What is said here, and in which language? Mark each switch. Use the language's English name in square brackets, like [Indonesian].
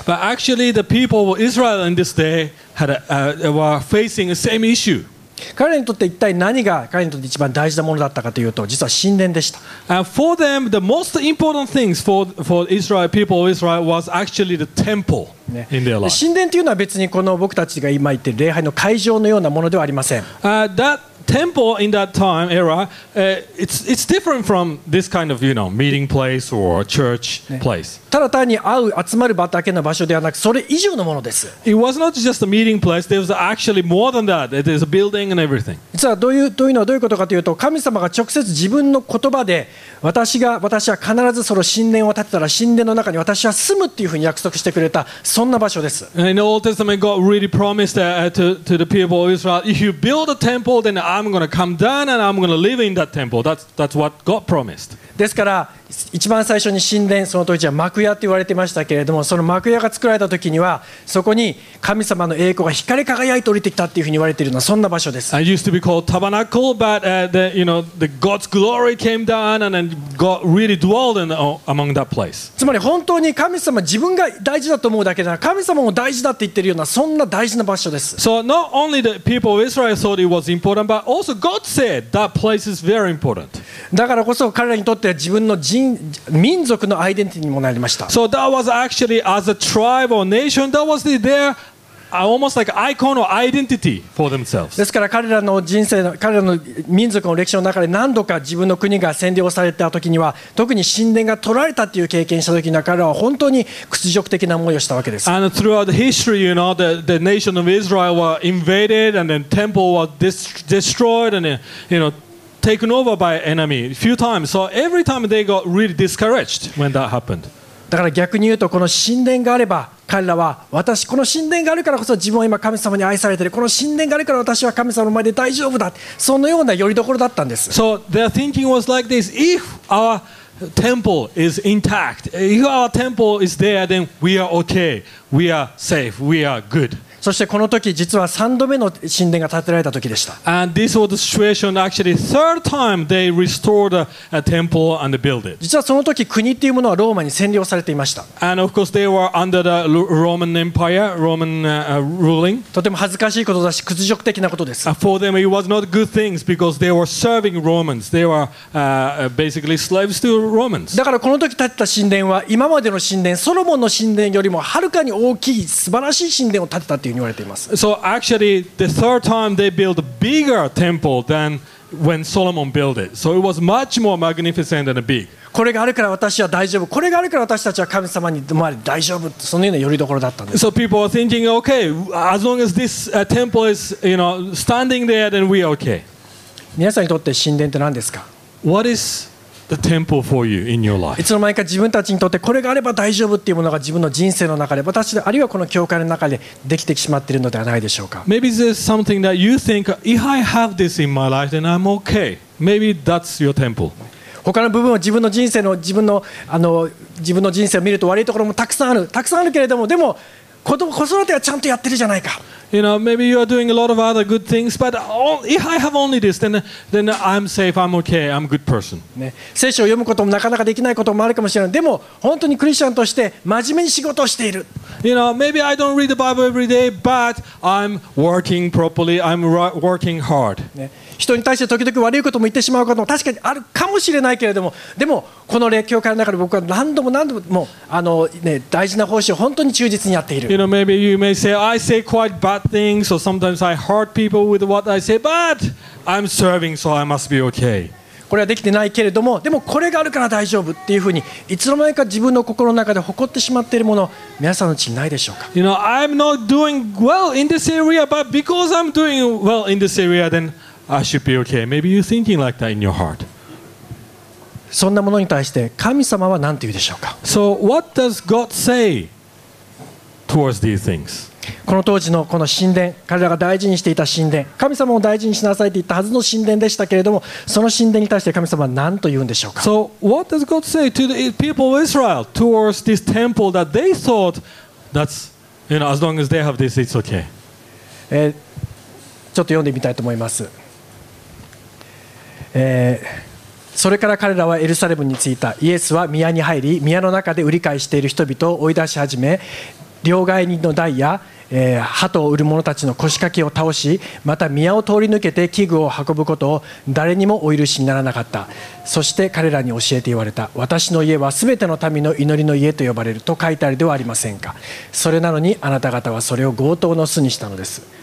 [English] But actually, the people of Israel in this day were facing the same issue. [Japanese] 彼らにとって一体何が彼らにとって一番大事なものだったかというと、実は神殿でした。 [English] For them, the most important things for Israel, people of Israel was actually the temple. [Japanese] ね、神殿というのは別にこの僕たちが今言っている礼拝の会場のようなものではありません。 [English] That temple in that time era, it's different from this kind of, you know, meeting place or church place.、 [Japanese] ね、ただ単に会う集まる場だけの場所ではなく、それ以上のものです。 [English] It was not just a meeting place. There was actually more than that. It is a building and everything. [Japanese] 実はどういうのはどういうことかというと、神様が直接自分の言葉で私は必ずその神殿を建てたら神殿の中に私は住むっていうふうに約束してくれた。そんな場所です。 [English] In the Old Testament, God really promised to the people of Israel, if you build a temple, then I'm going to come down and I'm going to live in that temple. That's what God promised. [Japanese] ですから、一番最初に神殿、その当時は幕屋って言われてましたけれども、その幕屋が作られた時には、そこに神様の栄光が光り輝いて降りてきたっていうふうに言われているのはそんな場所です。 [English] It used to be called Tabernacle, but the God's glory came down and then God really dwelled among that place. [Japanese] つまり本当に神様、自分が大事だと思うだけでなく、神様も大事だって言ってるようなそんな大事な場所です。 [English] So not only the people of Israel thought it was important, but also God said that place is very important. [Japanese] だからこそ彼らにとって自分の民族のアイデンティティにもなりました。 [English] So that was actually as a tribe or nation, that was their almost like icon or identity for themselves. [Japanese] ですから彼らの人生の彼らの民族の歴史の中で何度か自分の国が占領されたときには、特に神殿が取られたという経験したときには、彼らは本当に屈辱的な思いをしたわけです。 [English] And throughout the history, you know, the nation of Israel were invaded and then temple was destroyed and then, you know,taken over by enemy a few times. So every time they got really discouraged when that happened. [Japanese] だから逆に言うと、この神殿があれば彼らは私この神殿があるからこそ自分は今神様に愛されているこの神殿があるから私は神様の前で大丈夫だそのような拠り所だったんです [English] So their thinking was like this If our temple is intact If our temple is there then we are okay We are safe, we are good [Japanese] そしてこの時実は3度目の神殿が建てられた時でした [English] And this was the situation actually third time they restored a temple and built it [Japanese] 実はその時国というものはローマに占領されていました [English] And of course they were under the Roman Empire, Roman ruling [Japanese] とても恥ずかしいことだし屈辱的なことです [English] For them it was not good things because they were serving Romans They were basically slaves to Romans [Japanese] だからこの時建てた神殿は今までの神殿ソロモンの神殿よりもはるかに大きい素晴らしい神殿を建てた [English] So actually, the third time they built a bigger temple than when Solomon built it. So it was much more magnificent and big. [Japanese] これがあるから私は大丈夫。これがあるから私たちは神様に生まれ大丈夫。そのような拠り所だったんです。 [English] So people are thinking, okay, as long as this temple is, you know, standing there, then we are okay. [Japanese] 皆さんにとって神殿って何ですか? [English] What is the temple for you in your life. [Japanese] いつの間にか自分たちにとってこれがあれば大丈夫っていうものが自分の人生の中で私であるいはこの教会の中でできてしまっているのではないでしょうか。 [English] Maybe there's something that you think if I have this in my life then I'm okay. Maybe that's your temple. [Japanese] 他の部分は自分の人生の自分の人生を見ると悪いところもたくさんあるけれどもでも子育てはちゃんとやってるじゃないか。 [English] You know, maybe you are doing a lot of other good things, but if I have only this, then I'm safe, I'm okay, I'm a good person. [Japanese] ね、聖書を読むこともなかなかできないこともあるかもしれない。でも本当にクリスチャンとして真面目に仕事をしている。 [English] You know, maybe I don't read the Bible every day, but I'm working properly, I'm working hard. [Japanese] ね、人に対して時々悪いことも言ってしまうことも確かにあるかもしれないけれども、でもこの教会の中で僕は何度も、ね、大事な奉仕を本当に忠実にやっている。 [English] You know, maybe you may say, I say quite bad things, or sometimes I hurt people with what I say, but I'm serving, so I must be okay. [Japanese] これはできてないけれども、でもこれがあるから大丈夫っていうふうに、いつの間にか自分の心の中で誇ってしまっているもの、皆さんのうちにないでしょうか。 [English] You know, I'm not doing well in this area, but because I'm doing well in this area, then I should be okay. Maybe you're thinking like that in your heart. [Japanese] そんなものに対して神様は何て言うでしょうか。 [English] So what does God say towards these things? [Japanese] この当時のこの神殿、彼らが大事にしていた神殿、神様を大事にしなさいと言ったはずの神殿でしたけれども、その神殿に対して神様は何と言うんでしょうか。 [English] So what does God say to the people of Israel towards this temple that they thought that's, you know, as long as they have this, it's okay. [Japanese] ちょっと読んでみたいと思います、それから彼らはエルサレムに着いたイエスは宮に入り宮の中で売り買いしている人々を追い出し始め両替人の台や、鳩を売る者たちの腰掛けを倒しまた宮を通り抜けて器具を運ぶことを誰にもお許しにならなかったそして彼らに教えて言われた私の家は全ての民の祈りの家と呼ばれると書いてあるではありませんかそれなのにあなた方はそれを強盗の巣にしたのです